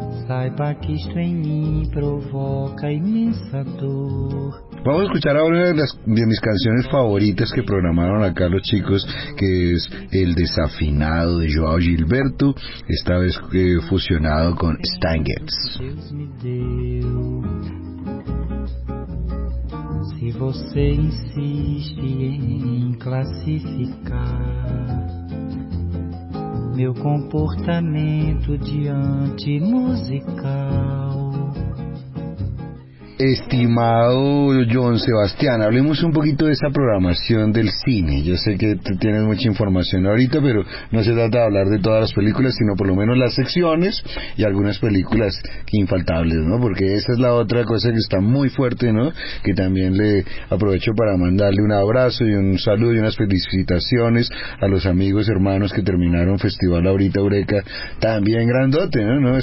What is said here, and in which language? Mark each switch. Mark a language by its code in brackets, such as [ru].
[pt] Saiba que isto em mim provoca imensa dor. [es] Vamos a escuchar ahora una de mis canciones favoritas que programaron acá los chicos, que es El Desafinado de João Gilberto, esta vez fusionado con Stangets. [pt] Deus me deu. Se você insiste em classificar meu comportamento diante musical. [es] Estimado John Sebastián, hablemos un poquito de esa programación del cine. Yo sé que tienes mucha información ahorita, pero no se trata de hablar de todas las películas, sino por lo menos las secciones y algunas películas infaltables, ¿no? Porque esa es la otra cosa que está muy fuerte, ¿no? Que también le aprovecho para mandarle un abrazo y un saludo y unas felicitaciones a los amigos, hermanos que terminaron Festival Ahorita Eureka, también grandote, ¿no?